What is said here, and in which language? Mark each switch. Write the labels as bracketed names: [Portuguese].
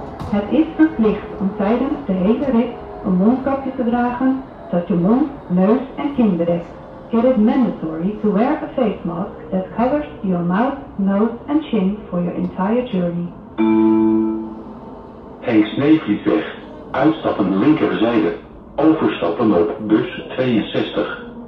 [Dutch] Het is een plicht om tijdens de hele rit een mondkapje te dragen, zodat je mond, neus en kin bedekt. [English] It is mandatory to wear a face mask that covers your mouth, nose and chin for your entire journey. [Dutch] Hees Neefliet zegt, uitstappen linkerzijde, overstappen op bus 62.